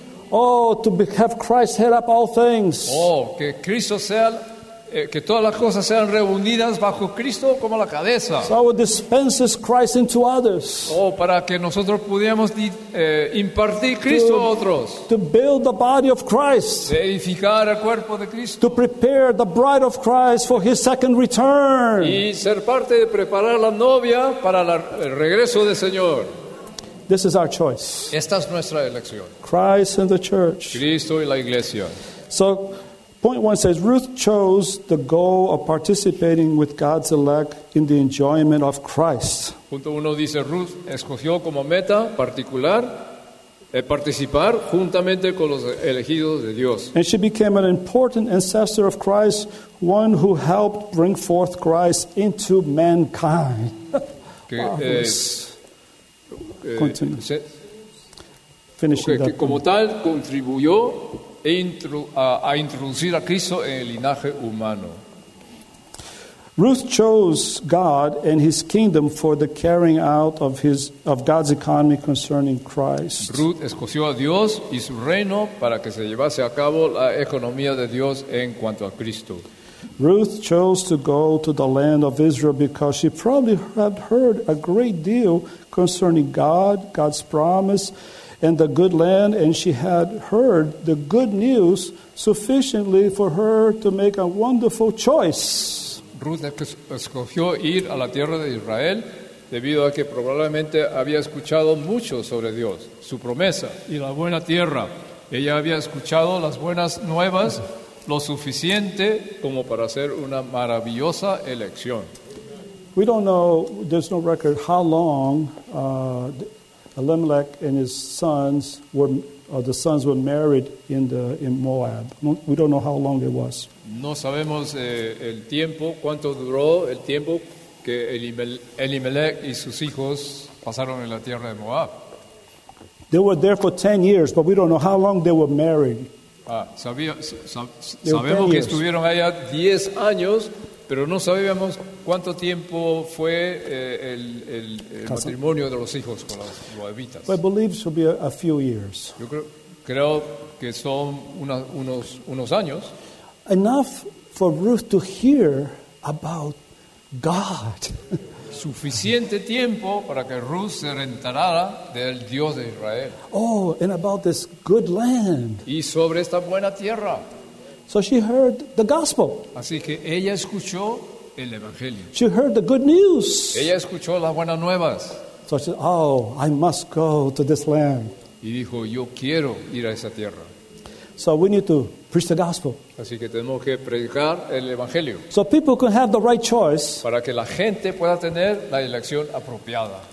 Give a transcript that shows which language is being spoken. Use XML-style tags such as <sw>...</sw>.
<en>Oh, to have Christ head up all things.</en> <es>Oh, que Cristo sea que todas las cosas sean reunidas bajo Cristo como la cabeza.</es> <en>So it dispenses Christ into others.</en> <es>Oh, para que nosotros pudiéramos impartir Cristo a otros.</es> <en>To build the body of Christ.</en> <es>De edificar el cuerpo de Cristo.</es> <en>To prepare the bride of Christ for His second return.</en> <es>Y ser parte de preparar la novia para el regreso del Señor.</es> <en>This is our choice.</en> <es>Esta es nuestra elección.</es> <en>Christ and the church.</en> <es>Cristo y la iglesia.</es> <en>So, point one says, Ruth chose the goal of participating with God's elect in the enjoyment of Christ.</en> <es>Punto uno dice, Ruth escogió como meta particular participar juntamente con los elegidos de Dios.</es> <en>And she became an important ancestor of Christ, one who helped bring forth Christ into mankind.</en> <es>Que,</es> <en>continue.</en> <es>Que como tal contribuyó a introducir a Cristo en el linaje humano.</es> <en>Ruth chose God and His kingdom for the carrying out of His of God's economy concerning Christ.</en> <es>Ruth escogió a Dios y su reino para que se llevase a cabo la economía de Dios en cuanto a Cristo.</es> <en>Ruth chose to go to the land of Israel because she probably had heard a great deal concerning God, God's promise, and the good land, and she had heard the good news sufficiently for her to make a wonderful choice.</en> <es>Ruth escogió ir a la tierra de Israel debido a que probablemente había escuchado mucho sobre Dios, su promesa y la buena tierra. Ella había escuchado las buenas nuevas lo suficiente como para hacer una maravillosa elección.</es> <en>We don't know, there's no record how long Elimelech and his sons were married in Moab. We don't know how long it was.</en> <es>No sabemos el tiempo, cuánto duró el tiempo que Elimelech y sus hijos pasaron en la tierra de Moab.</es> <en>They were there for 10 years, but we don't know how long they were married.</en> <es>Sabemos que estuvieron allá 10 años, pero no sabíamos cuánto tiempo fue el matrimonio de los hijos con las moabitas.</es> <en>But I believe it should be a few years.</en> <es>Yo creo que son unos años.</es> <en>Enough for Ruth to hear about God.</en> <es>Suficiente tiempo para que Ruth se enterara del Dios de Israel.</es> <en>Oh, and about this good land.</en> <es>Y sobre esta buena tierra.</es> <en>So she heard the gospel.</en> <es>Así que ella escuchó el evangelio.</es> <en>She heard the good news.</en> <es>Ella escuchó las buenas nuevas.</es> <en>So she said, "Oh, I must go to this land."</en> <es>Y dijo, "Yo quiero ir a esa tierra."</es> <en>So we need to preach the gospel.</en> <es>Así que tenemos que predicar el evangelio.</es> <en>So people can have the right choice.</en> <es>Para que la gente pueda tener la elección apropiada.</es>